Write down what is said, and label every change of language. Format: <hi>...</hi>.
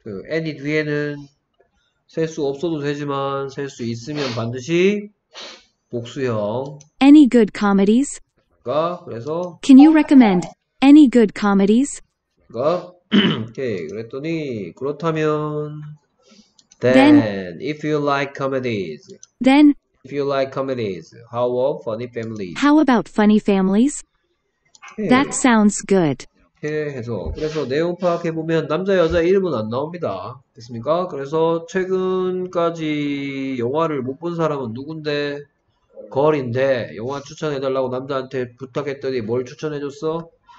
<ko>any 뒤에는 셀수 없어도 되지만 셀수 있으면 반드시 복수형.</ko> <en>Any good comedies?</en> <ko>그래서</ko> <en>Can you recommend any good comedies?</en> <ko>오케이, 그랬더니 그렇다면</ko> <en>Then, then if you like comedies. then, If you like comedies, how about funny families? how about funny families? That sounds good.</en> <ko>이렇게 해서 그래서 내용 파악해 보면 남자 여자 이름은 안 나옵니다. 됐습니까? 그래서 최근까지 영화를 못본 사람은 누군데? 걸인데 영화 추천해 달라고 남자한테 부탁했더니 뭘 추천해 줬어?</ko>